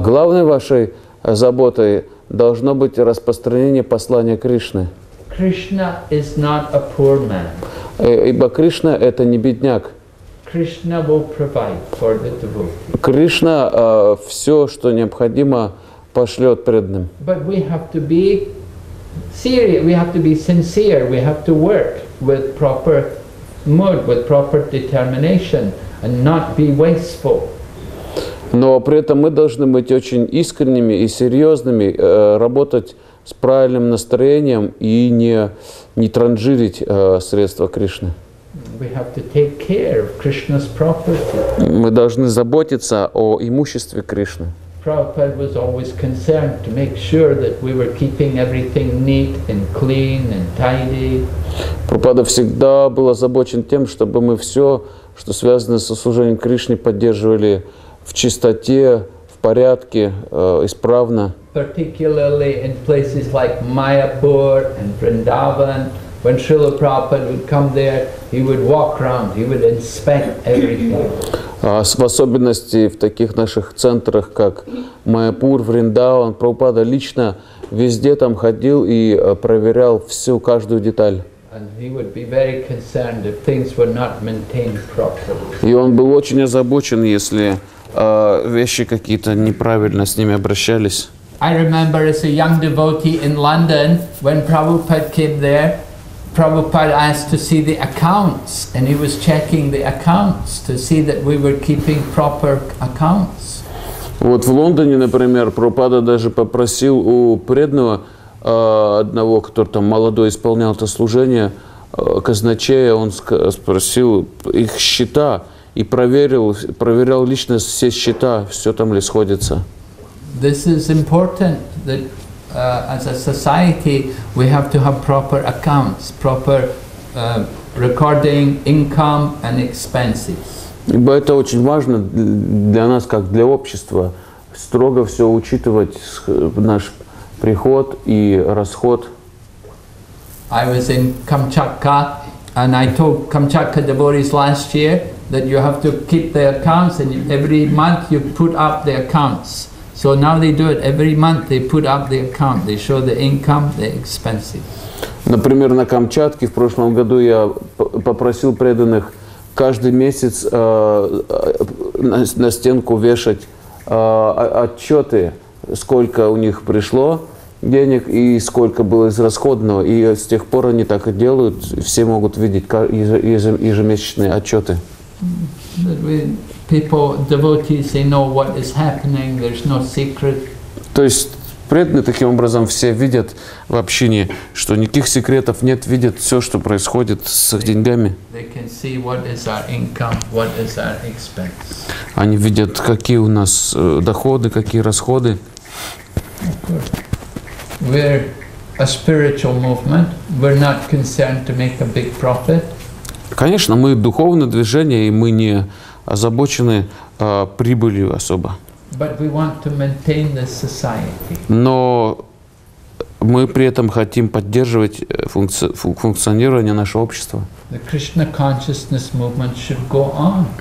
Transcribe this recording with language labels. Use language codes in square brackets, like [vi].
[ru] Главной вашей заботой должно быть распространение послания Кришны. [en] Krishna is not a poor man. [ru] Ибо Кришна – это не бедняк. [en] Krishna will provide for the devotees. [ru] Кришна все, что необходимо, пошлет преданным. [en] But we have to be serious, we have to be sincere, we have to work with proper mood, with proper determination, and not be wasteful. [ru] Но при этом мы должны быть очень искренними и серьезными, работать с правильным настроением и не транжирить средства Кришны. [en] We have to take care of Krishna's property. [ru] Мы должны заботиться о имуществе Кришны. [en] Prabhupada was always concerned to make sure that we were keeping everything neat and clean and tidy. [ru] Прабхупада всегда был озабочен тем, чтобы мы все, что связано со служением Кришне, поддерживали в чистоте, в порядке, исправно. [en] Particularly in places like Mayapur and Vrindavan, when Srila Prabhupada would come there, he would walk around, he would inspect everything. [ru] В особенности в таких наших центрах, как Майяпур, Вриндаван, Прабхупада лично везде там ходил и проверял всю, каждую деталь. [en] And he would be very concerned if things were not maintained properly. [ru] И он был очень озабочен, если вещи какие-то неправильно с ними обращались. [en] I remember as a young devotee in London, when Prabhupada came there, Prabhupada asked to see the accounts, and he was checking the accounts to see that we were keeping proper accounts. [ru] Вот в Лондоне, например, Прабхупада даже попросил у преданного одного, который там молодой исполнял это служение, казначея, он спросил их счета, и проверял лично все счета, все там ли сходится. [en] This is important that as a society we have to have proper accounts, proper recording income and expenses. [ru] Ибо это очень важно для нас как для общества, строго все учитывать наш приход и расход. [en] I was in Kamchatka and I told Kamchatka devotees last year that you have to keep the accounts and every month you put up the accounts. So now they do it every month, they put up the account, they show the income, the expenses. [ru] Например, на Камчатке в прошлом году я попросил преданных каждый месяц на стенку вешать отчеты, сколько у них пришло денег и сколько было израсходовано. И с тех пор они так и делают, все могут видеть ежемесячные отчеты. [en] People, devotees, they know what is happening, there's no secret. [ru] То есть преданные таким образом все видят в общине, что никаких секретов нет, видят все, что происходит с их деньгами. [en] They can see what is our income, what is our expense. [ru] Они видят, какие у нас доходы, какие расходы. [en] We're a spiritual movement. We're not concerned to make a big profit. [ru] Конечно, мы духовное движение, и мы не озабочены прибылью особо. [en] But we want to maintain this society. [ru] Но мы при этом хотим поддерживать функционирование нашего общества. [en] The Krishna consciousness movement should go on.